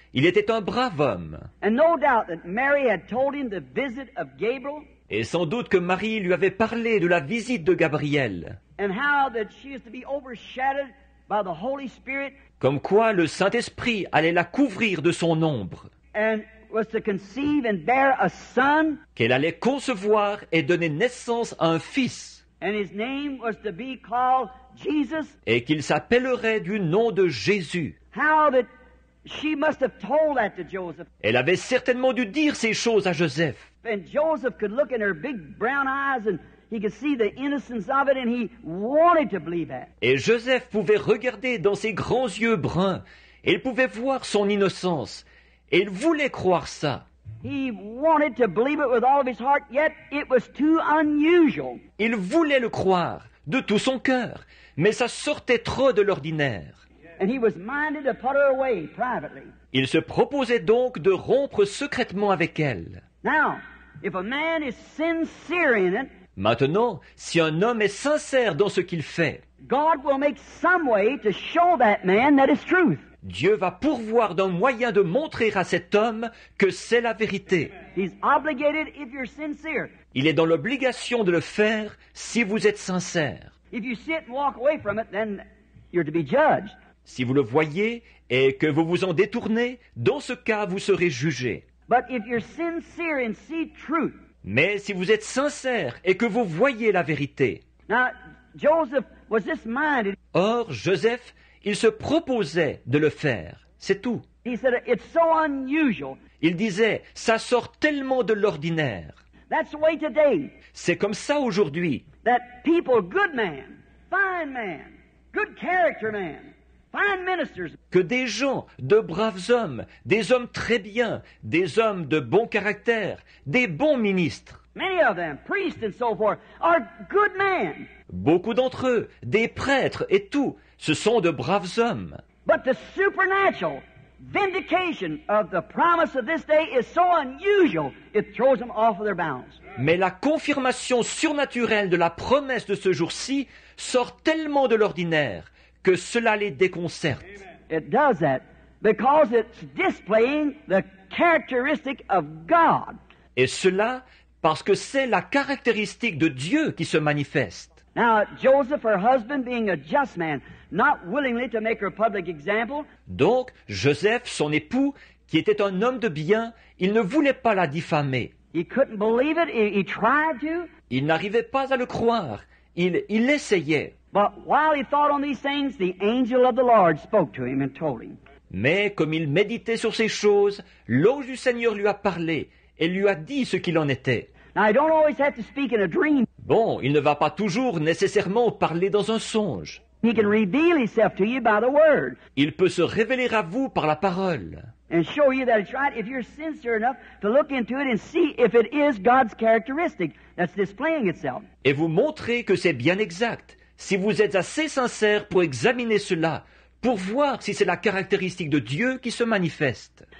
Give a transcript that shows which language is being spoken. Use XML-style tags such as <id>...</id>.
<fr>Il était un brave homme.</fr> <en>And no doubt that Mary had told him the visit of Gabriel.</en> <fr>Et sans doute que Marie lui avait parlé de la visite de Gabriel.</fr> <en>And how that she is to be overshadowed by the Holy Spirit.</en> <fr>Comme quoi le Saint-Esprit allait la couvrir de son ombre.</fr> <en>And was to conceive and bear a son.</en> <fr>Qu'elle allait concevoir et donner naissance à un fils.</fr> <en>And his name was to be called Jesus.</en> <fr>Et qu'il s'appellerait du nom de Jésus.</fr> <en>How that she must have told that to Joseph.</en> <fr>Elle avait certainement dû dire ces choses à Joseph.</fr> <en>And Joseph could look in her big brown eyes and he could see the innocence of it and he wanted to believe that.</en> <fr>Et Joseph pouvait regarder dans ses grands yeux bruns et il pouvait voir son innocence et il voulait croire ça.</fr> <en>He wanted to believe it with all of his heart, yet it was too unusual.</en> <fr>Il voulait le croire de tout son cœur, mais ça sortait trop de l'ordinaire.</fr> <en>And he was minded to put her away privately.</en> <fr>Il se proposait donc de rompre secrètement avec elle.</fr> <en>Now, if a man is sincere in it,</en> <fr>maintenant, si un homme est sincère dans ce qu'il fait,</fr> <en>God will make some way to show that man that is truth.</en> <fr>Dieu va pourvoir d'un moyen de montrer à cet homme que c'est la vérité.</fr> <en>He's obligated if you're sincere.</en> <fr>Il est dans l'obligation de le faire si vous êtes sincère.</fr> <en>If you sit and walk away from it, then you're to be judged.</en> <fr>Si vous le voyez et que vous vous en détournez, dans ce cas, vous serez jugé.</fr> <en>But if you're sincere and see truth.</en> <fr>Mais si vous êtes sincère et que vous voyez la vérité.</fr> <en>Now, Joseph was this minded.</en> <fr>Or, Joseph, il se proposait de le faire. C'est tout.</fr> <en>He said, it's so unusual.</en> <fr>Il disait, ça sort tellement de l'ordinaire.</fr> <en>That's the way today.</en> <fr>C'est comme ça aujourd'hui.</fr> <en>That people, good man, fine man, good character man.</en> <fr>Que des gens, de braves hommes, des hommes très bien, des hommes de bon caractère, des bons ministres.</fr> <en>Many of them, priests and so forth, are good men.</en> <fr>Beaucoup d'entre eux, des prêtres et tout, ce sont de braves hommes.</fr> <en>But the supernatural vindication of the promise of this day is so unusual, it throws them off of their balance.</en> <fr>Mais la confirmation surnaturelle de la promesse de ce jour-ci sort tellement de l'ordinaire. Que cela les déconcerte.</fr> <en>It does that because it's displaying the characteristic of God.</en> <fr>Et cela parce que c'est la caractéristique de Dieu qui se manifeste.</fr> <en>Now Joseph, her husband, being a just man, not willingly to make her public example.</en> <fr>Donc Joseph, son époux, qui était un homme de bien, il ne voulait pas la diffamer.</fr> <en>He couldn't believe it. He tried to.</en> <fr>Il n'arrivait pas à le croire. Il essayait.</fr> <en>But while he thought on these things, the angel of the Lord spoke to him and told him.</en> <fr>Mais comme il méditait sur ces choses, l'ange du Seigneur lui a parlé et lui a dit ce qu'il en était.</fr> <en>Now, I don't always have to speak in a dream.</en> <fr>Bon, il ne va pas toujours nécessairement parler dans un songe.</fr> <en>He can reveal himself to you by the word.</en> <fr>Il peut se révéler à vous par la parole.</fr> <en>And show you that it's right if you're sincere enough to look into it and see if it is God's characteristic that's displaying itself.</en> <fr>Et vous montrer que c'est bien exact. Si vous êtes assez sincère pour examiner cela, pour voir si c'est la caractéristique de Dieu qui se manifeste.</fr>